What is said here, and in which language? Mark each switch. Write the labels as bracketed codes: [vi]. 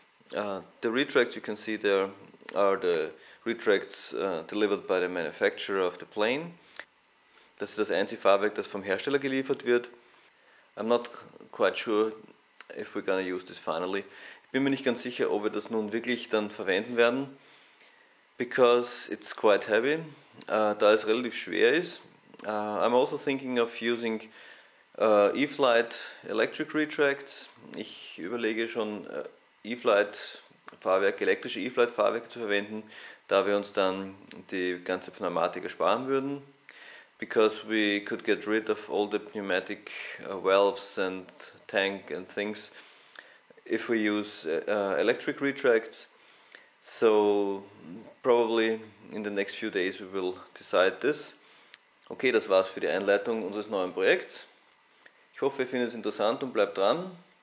[en] The retracts you can see there are the retracts delivered by the manufacturer of the plane. [de] Das ist das einzige Fahrwerk, das vom Hersteller geliefert wird. [en] I'm not quite sure if we're gonna use this finally. [de] Ich bin mir nicht ganz sicher, ob wir das nun wirklich dann verwenden werden. [en] Because it's quite heavy. [de] Da es relativ schwer ist. [en] I'm also thinking of using E-Flight Electric Retracts. [de] Ich überlege schon, elektrische E-Flight-Fahrwerke zu verwenden, da wir uns dann die ganze Pneumatik ersparen würden. [en] Because we could get rid of all the pneumatic valves and tank and things if we use electric retracts. So probably in the next few days we will decide this. [de] Okay, das war's für die Einleitung unseres neuen Projekts. Ich hoffe, ihr findet es interessant und bleibt dran.